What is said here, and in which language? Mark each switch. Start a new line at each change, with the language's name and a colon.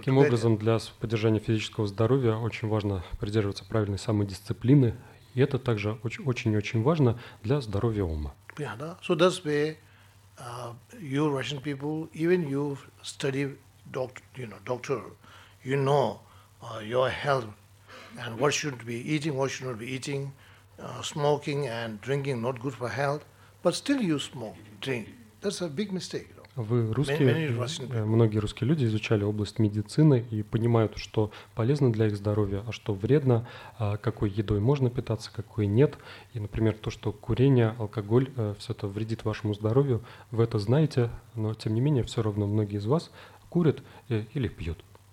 Russian: Таким образом, для поддержания физического здоровья очень важно придерживаться правильной самодисциплины, и это также очень-очень важно для здоровья ума.
English: Yeah,
Russian: да?
English: So that's why you Russian people, even you study doctor, you know your health and what should be eating, what should not be eating, smoking and drinking not good for health, but still you smoke, drink. That's a big mistake, you know.
Russian: Вы русские, многие русские люди изучали область медицины и понимают, что полезно для их здоровья, а что вредно, какой едой можно питаться, какой нет. И, например, то, что курение, алкоголь, все это вредит вашему здоровью, вы это знаете, но, тем не менее, все равно многие из вас курят или пьют.